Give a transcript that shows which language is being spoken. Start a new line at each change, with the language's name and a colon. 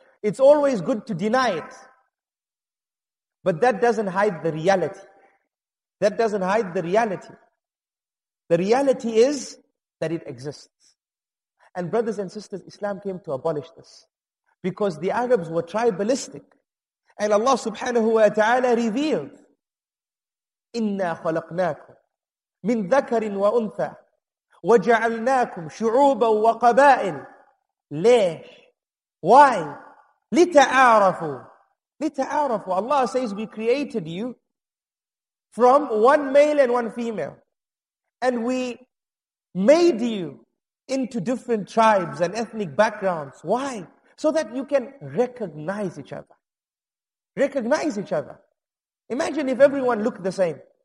English: It's always good to deny it. But that doesn't hide the reality. That doesn't hide the reality. The reality is that it exists. And brothers and sisters, Islam came to abolish this. Because the Arabs were tribalistic. And Allah subhanahu wa ta'ala revealed,
Arabic: إِنَّا خَلَقْنَاكُمْ مِنْ ذَكَرٍ وَأُنْثَى وَجَعَلْنَاكُمْ شُعُوبًا وَقَبَائِلٍ لَيْهِ.
English: Why?
Arabic: لِتَعَارَفُوا. لِتَعَارَفُوا.
English: Allah says, we created you from one male and one female. And we made you into different tribes and ethnic backgrounds. Why? So that you can recognize each other. Recognize each other. Imagine if everyone looked the same.